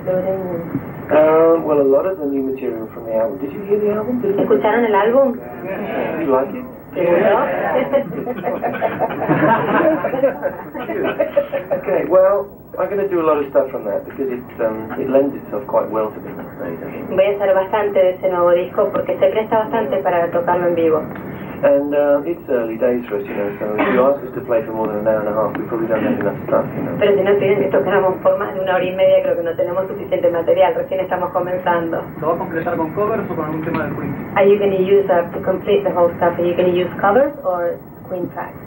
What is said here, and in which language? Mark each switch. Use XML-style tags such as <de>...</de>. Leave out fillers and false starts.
<en>Well, a lot of the new material from the album. Did you hear the album?</en> <es>¿Escucharon el álbum?</es> <en>Yeah. You like it? Yeah. Okay, well, I'm going to do a lot of stuff from that because it lends itself quite well to being on stage.</en> <es>Voy a hacer bastante de ese nuevo disco porque se presta bastante para tocarlo en vivo.</es> <en>And it's early days for us, you know, so if you ask us to play for more than an hour and a half, we probably don't have enough stuff, you know.</en> <es>Pero si nos piden que tocáramos por más de una hora y media, creo que no tenemos suficiente material, recién estamos comenzando. ¿Lo va a completar con covers o con algún tema del Queen?</es> <en>Are you going to use, to complete the whole stuff, are you going to use covers or Queen tracks?</en>